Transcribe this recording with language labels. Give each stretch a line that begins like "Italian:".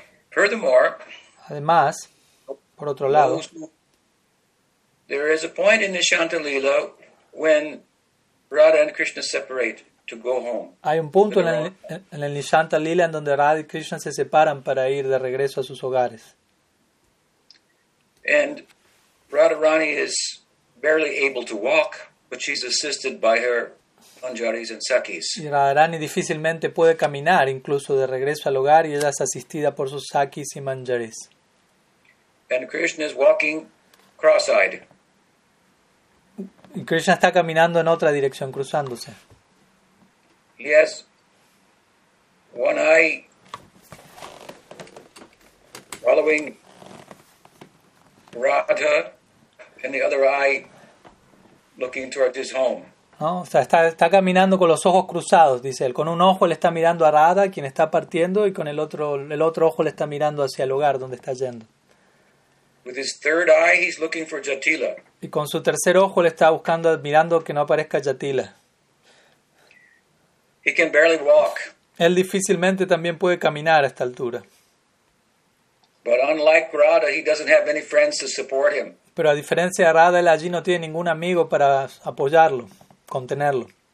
English: Furthermore,
Spanish: además, por otro lado,
English: there is a point in Nishanta Lila when Radha and Krishna separate to go home.
Spanish: Hay un punto en el Nishanta Lila en donde Radha y Krishna se separan para ir de regreso a sus hogares.
English: And Radharani is barely able to walk, but she's assisted by her Anjaris and Sakis.
Spanish: Y Radharani difícilmente puede caminar, incluso de regreso al hogar, y ella es asistida por sus Sakis y Manjaris.
English: And Krishna is walking cross-eyed.
Spanish: Y Krishna está caminando en otra dirección, cruzándose.
English: Yes. One eye following Radha, and the other eye looking towards his home.
Spanish: No, o sea, está caminando con los ojos cruzados, dice él. Con un ojo le está mirando a Radha, quien está partiendo, y con el otro ojo le está mirando hacia el hogar donde está yendo.
English: With his third eye, he's looking for Jatila.
Spanish: Y con su tercer ojo le está buscando, mirando que no aparezca Jatila.
English: He can barely walk.
Spanish: Él difícilmente también puede caminar a esta altura.
English: But unlike Radha, he doesn't have any friends to support him.
Spanish: Pero a diferencia de Radha, él allí no tiene ningún amigo para apoyarlo, contenerlo.